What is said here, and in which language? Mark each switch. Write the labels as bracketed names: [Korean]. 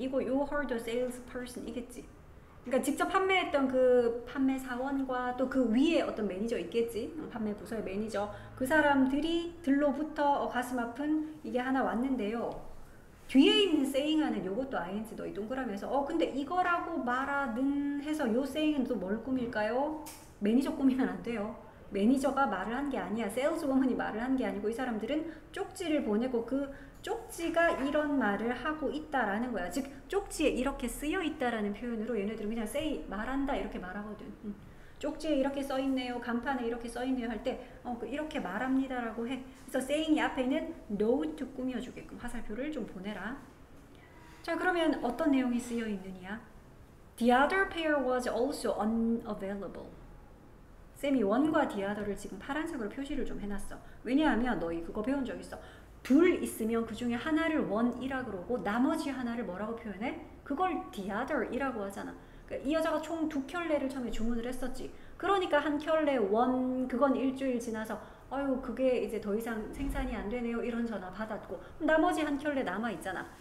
[Korean] 이거 [English] you heard the salesperson [Korean] 이겠지? 그러니까 직접 판매했던 그 판매 사원과 또그 위에 어떤 매니저 있겠지? 판매 부서의 매니저. 그 사람들이 들로부터 가슴 아픈 이게 하나 왔는데요. 뒤에 있는 saying하는 요것도 ing 너희 동그라미에서 근데 이거라고 말하는 해서 요 saying은 또뭘 꾸밀까요? 매니저 꾸미면 안 돼요. 매니저가 말을 한게 아니야. 세일즈우먼이 말을 한게 아니고 이 사람들은 쪽지를 보내고 그 쪽지가 이런 말을 하고 있다라는 거야. 즉 쪽지에 이렇게 쓰여 있다라는 표현으로 얘네들은 그냥 say 말한다 이렇게 말하거든. 쪽지에 이렇게 써 있네요. 간판에 이렇게 써 있네요 할 때, 이렇게 말합니다라고 해. 그래서 saying이 앞에는 note 꾸며주게끔 화살표를 좀 보내라. 자, 그러면 어떤 내용이 쓰여 있느냐? [English] The other pair was also unavailable. [Korean] 쌤이 원과 디아더를 지금 파란색으로 표시를 좀 해놨어. 왜냐하면 너희 그거 배운 적 있어. 둘 있으면 그 중에 하나를 원이라 그러고 나머지 하나를 뭐라고 표현해? 그걸 디아더이라고 하잖아. 그러니까 이 여자가 총두 켤레를 처음에 주문을 했었지. 그러니까 한 켤레 원, 그건 일주일 지나서 아유 그게 이제 더 이상 생산이 안 되네요 이런 전화 받았고 나머지 한 켤레 남아 있잖아.